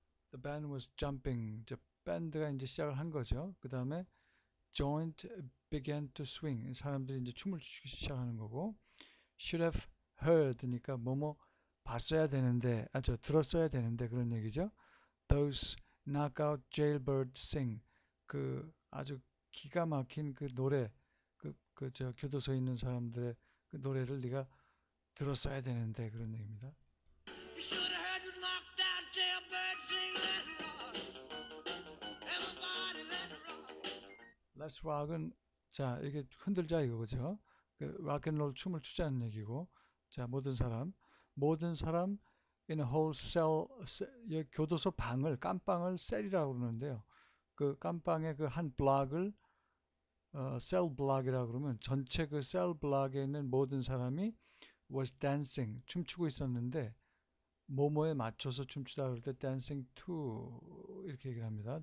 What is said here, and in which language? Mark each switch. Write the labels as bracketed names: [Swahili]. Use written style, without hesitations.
[English] 'The band was jumping', [Korean] 이제 밴드가 이제 시작을 한 거죠. 그 다음에 [English] 'joint began to swing', [Korean] 사람들이 이제 춤을 추기 시작하는 거고 [English] 'should have heard'니까 [Korean] 뭐뭐 봤어야 되는데, 아, 저 들었어야 되는데 그런 얘기죠. [English] Those knockout jailbirds sing. [Korean] 그 아주 기가 막힌 그 노래, 그 교도소에 있는 사람들의 그 노래를 네가 들었어야 되는데 그런 얘기입니다. [English] You should have heard the knockout jailbirds sing. Let it rock. Everybody let it rock. Let's rock [Korean] 은 자 이게 흔들자 이거죠. 그 락앤롤 춤을 추자는 얘기고, 자 모든 사람. [English] In a whole cell, [Korean] 교도소 방을, 감방을 cell이라고 그러는데요. 그 감방의 그 한 block을 cell block이라고 그러면 전체 그 cell block에 있는 모든 사람이 [English] was dancing, [Korean] 춤추고 있었는데 뭐뭐에 맞춰서 춤추다 그럴 때 [English] dancing to [Korean] 이렇게 얘기를 합니다.